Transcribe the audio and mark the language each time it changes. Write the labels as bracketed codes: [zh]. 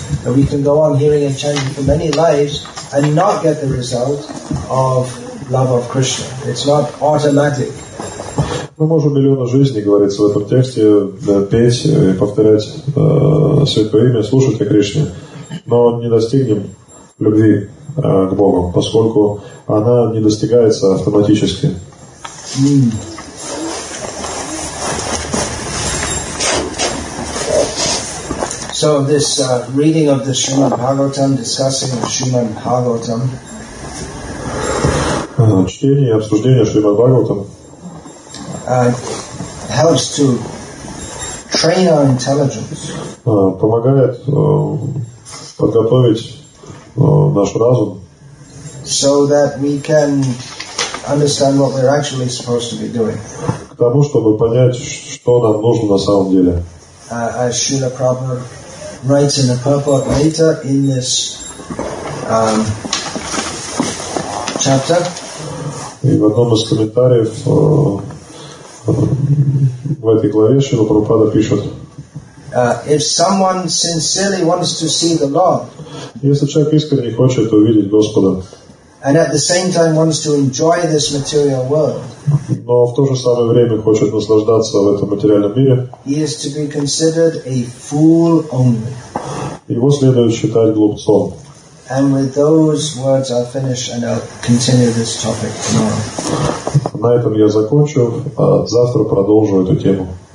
[en] That we can go on hearing and chanting for many lives and not get the result of love of Krishna. It's not automatic. [ru] Мы можем миллионы жизней, говорится в этом тексте, петь и повторять Святое Имя, слушать о Кришне, но не достигнем любви к Богу, поскольку она не достигается автоматически. [en] So this reading of the Srimad Bhagavatam, discussing the Srimad Bhagavatam. [ru] Чтение и обсуждение Шримад Бхагаватам. [en] Helps to train our intelligence. [ru] Помогает подготовить наш разум. [en] So that we can understand what we're actually supposed to be doing. [ru] К тому, чтобы понять, что нам нужно на самом деле. [en] As Srila Prabhupada writes in the purport later in this chapter. [ru] И в одном из комментариев в этой главе Шрила Прабхупада пишет. [en] If someone sincerely wants to see the Lord, [ru] если человек искренне хочет увидеть Господа, [en] and at the same time wants to enjoy this material world, [ru] но в то же самое время хочет наслаждаться в этом материальном мире, [en] he is to be considered a fool only. [ru] Его следует считать глупцом. [en] And with those words I'll finish and I'll continue this topic tomorrow. [ru] На этом я закончу, а завтра продолжу эту тему.